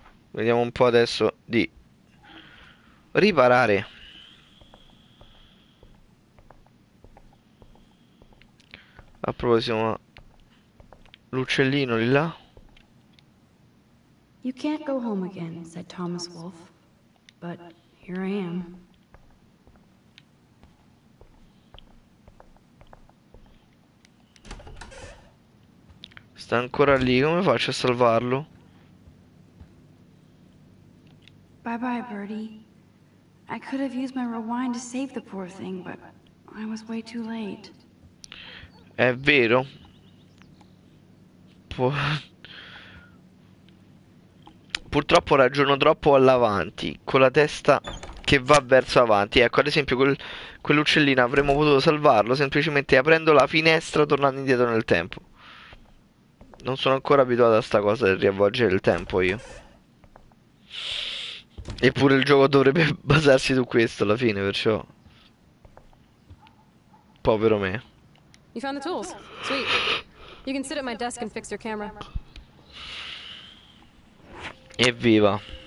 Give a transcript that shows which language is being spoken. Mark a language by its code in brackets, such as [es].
[it] Vediamo un po' adesso di riparare. A proposito, l'uccellino lì là. [en] You can't go home again, said Thomas Wolfe. But here I am. [it] Sta ancora lì, come faccio a salvarlo? [en] Bye bye, Birdie. I could have used my rewind to save the poor thing, but I was way too late. [it] È vero. Purtroppo ragiono troppo all'avanti, con la testa che va verso avanti. Ecco, ad esempio, quell'uccellino avremmo potuto salvarlo semplicemente aprendo la finestra tornando indietro nel tempo. Non sono ancora abituato a sta cosa del riavvolgere il tempo io. Eppure il gioco dovrebbe basarsi su questo alla fine, perciò. Povero me. [en] You found the tools. Sweet. You can sit at my desk and fix your camera. [it] Evviva.